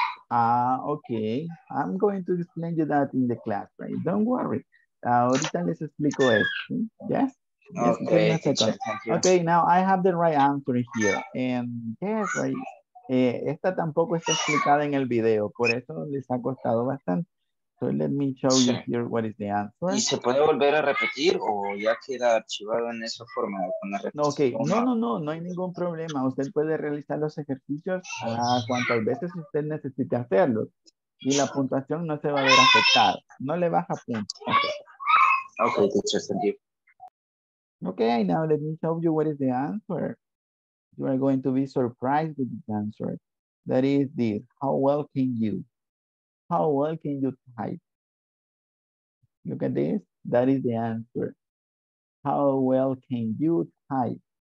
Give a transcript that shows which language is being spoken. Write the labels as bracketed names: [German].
[English] Okay, I'm going to explain you that in the class, right? Don't worry. [Spanish] Ahorita les explico esto. [English] Yes? Okay. Yes, okay, now I have the right answer here. And yes, right? [Spanish] Esta tampoco está explicada en el video. Por eso les ha costado bastante. [English] So let me show you here what is the answer. [Spanish] ¿Y se puede volver a repetir o ya queda archivado en esa forma? No, okay. No hay ningún problema. Usted puede realizar los ejercicios cuantas veces usted necesite hacerlos. Y la puntuación no se va a ver afectada. No le baja punto. [English] Okay, teacher, thank you. Okay, now let me show you what is the answer. You are going to be surprised with this answer. That is this. How well can you type? Look at this. That is the answer. How well can you type?